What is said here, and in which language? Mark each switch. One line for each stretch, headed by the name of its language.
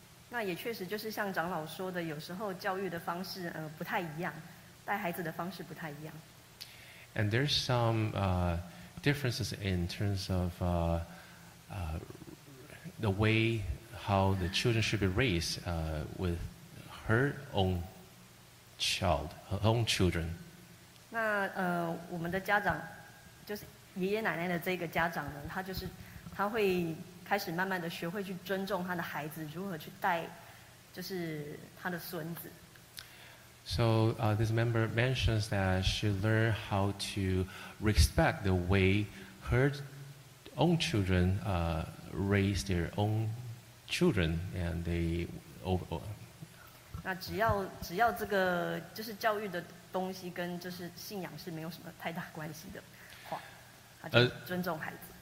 Chinese: 那也确实就是像长老说的，有时候教育的方式不太一样，带孩子的方式不太一样。
English: And there's some differences in terms of the way how the children should be raised with her own child, her own children.
Chinese: 那我们的家长，就是爷爷奶奶的这个家长呢，他就是他会开始慢慢的学会去尊重他的孩子，如何去带，就是他的孙子。
English: So this member mentions that she learned how to respect the way her own children raise their own children, and they over.
Chinese: 那只要这个就是教育的东西跟就是信仰是没有什么太大关系的话，他就尊重孩子。